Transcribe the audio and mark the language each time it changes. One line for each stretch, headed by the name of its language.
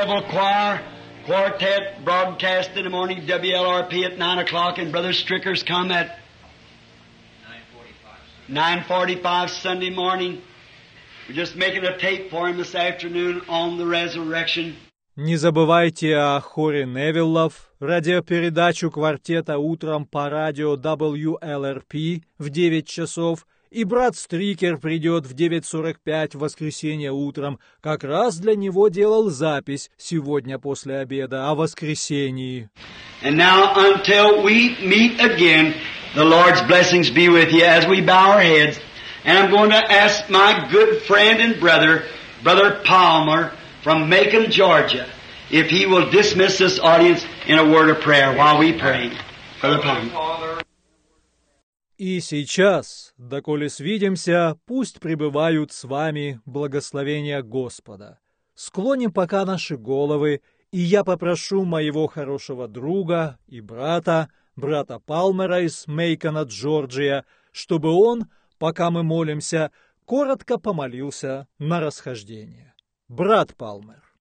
English: Choir quartet broadcast in the morning, WLRP at 9 o'clock, and Brother Stricker's come at 9:45 Sunday morning. We're just making a tape for him this afternoon on the resurrection.
Russian: Не забывайте о хоре Невиллов, радиопередачу квартета утром по радио WLRP в 9 часов. И брат Стрикер придет в 9:45 в воскресенье утром. Как раз для него делал запись сегодня после обеда о воскресении.
English: And now, until we meet again, the Lord's blessings be with you as we bow our heads. And I'm going to ask my good friend and brother, Brother Palmer from Macon, Georgia, if he will dismiss this audience in a word of prayer while we pray. Brother Palmer.
Russian: И сейчас, доколе свидимся, пусть пребывают с вами благословения Господа. Склоним пока наши головы, и я попрошу моего хорошего друга и брата, брата Палмера из Мейкона, Джорджия, чтобы он, пока мы молимся, коротко помолился на расхождение. Брат Палмер.